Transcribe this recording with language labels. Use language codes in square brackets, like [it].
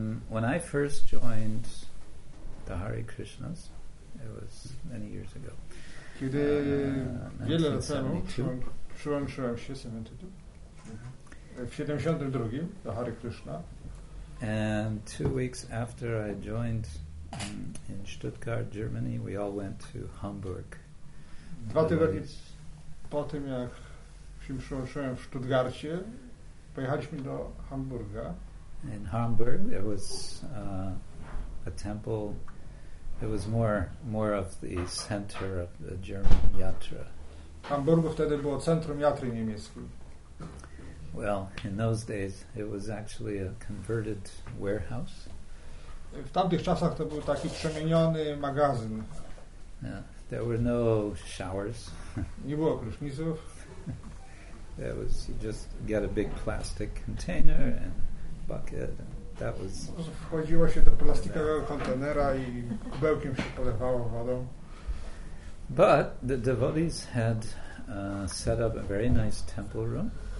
[en] When I first joined the Hare Krishnas, it was many years ago. [pl] Kiedy wiele lat temu przyłączyłem się, 72, w 72 do Hare Krishna. [en] And 2 weeks after I joined in Stuttgart, Germany, we all went to Hamburg. [pl] Dwa tygodnie po tym, jak się przyłączyłem w Stuttgarcie, pojechaliśmy do Hamburga. [en] In Hamburg, there was a temple. It was more of the center of the German Yatra. [pl] W Hamburgu wtedy było centrum Yatry niemieckiej. [en] Well, in those days, it was actually a converted warehouse. [pl] W tamtych czasach to był taki przemieniony magazyn. [en] Yeah. There were no showers. [pl] Nie było pryszniców. [en] There was, you just get a big plastic container and bucket. And that was. [pl] Wchodziło się do plastikowego kontenera i kubełkiem się polewało wodą. [en] But the devotees had set up a very nice temple room.